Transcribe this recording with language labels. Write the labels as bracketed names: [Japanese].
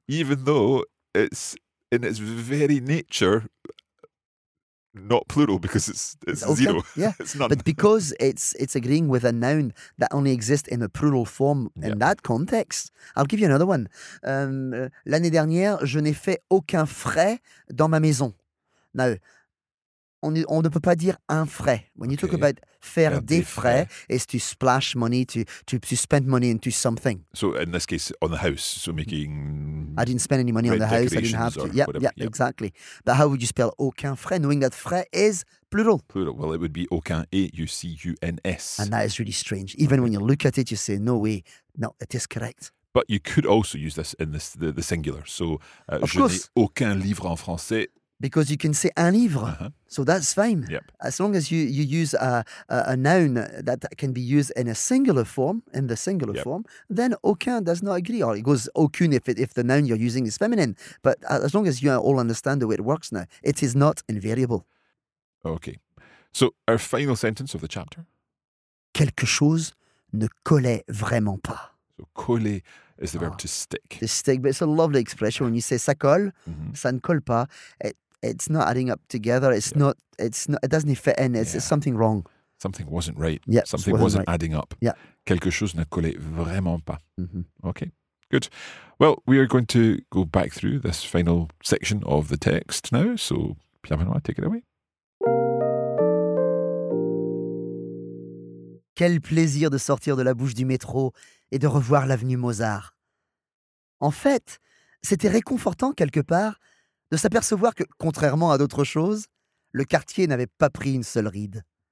[English] Even though it's in its very nature not plural because it's okay. Zero. Yeah. It's none. But because it's agreeing with a noun that only exists in a plural form in that context, I'll give you another one. [French] L'année dernière, je n'ai fait aucun frais dans ma maison. [English] Now, [French] on ne peut pas dire un frais. [English] When you talk about [French] faire des frais, [English] it's to splash money, to spend money into something. So in this case, on the house. So making... I didn't spend any money on the house. I didn't have to. Yeah, whatever. Exactly. But how would you spell [French] aucun frais, [English] knowing that frais is plural? Plural. Well, it would be aucun, A-U-C-U-N-S. And that is really strange. Even when you look at it, you say, no way. No, it is correct. But you could also use this in the singular. So, of course. [French] Je n'ai aucun livre en français. [English] Because you can say un livre, so that's fine. Yep. As long as you use a noun that can be used in a singular form, in the singular form, then aucun does not agree. Or it goes aucune if the noun you're using is feminine. But as long as you all understand the way it works now, it is not invariable. Okay. So our final sentence of the chapter. [French] Quelque chose ne collait vraiment pas. [English] So coller is the verb to stick. To stick, but it's a lovely expression when you say [French] ça colle, [English] mm-hmm. [French] ça ne colle pas. [English] It's not adding up together. It's not. It's not. It doesn't fit in. It's something wrong. Something wasn't right. Something wasn't right. Adding up. Yeah. [French] Quelque chose ne collait vraiment pas. [English] Mm-hmm. Okay. Good. Well, we are going to go back through this final section of the text now. So, Pierre Benoît, take it away. [French] Quel plaisir de sortir de la bouche du métro et de revoir l'avenue Mozart. En fait, c'était réconfortant quelque part de s'apercevoir que, contrairement à d'autres choses, le quartier n'avait pas pris une seule ride.